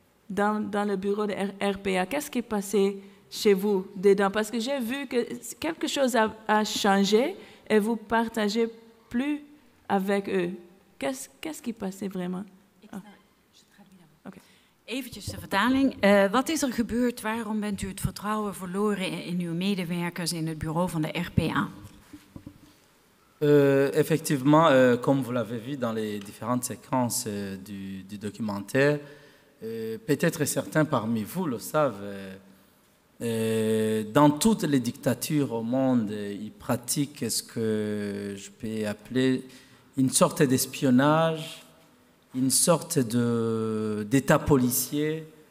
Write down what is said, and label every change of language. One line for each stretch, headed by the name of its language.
French: dans le bureau de RPA. Qu'est-ce qui est passé chez vous dedans? Parce que j'ai vu que quelque chose a changé et vous ne partagez plus avec eux. Qu'est-ce qui est passé vraiment?
Dutch: Eventjes de vertaling. Wat is er gebeurd? Waarom bent u het vertrouwen verloren in uw medewerkers in het bureau van de RPA?
French: Effectivement, comme vous l'avez vu dans les différentes séquences du documentaire, peut-être certains parmi vous le savent, dans toutes les dictatures au monde, ils pratiquent ce que je peux appeler une sorte d'espionnage, une sorte d'état policier.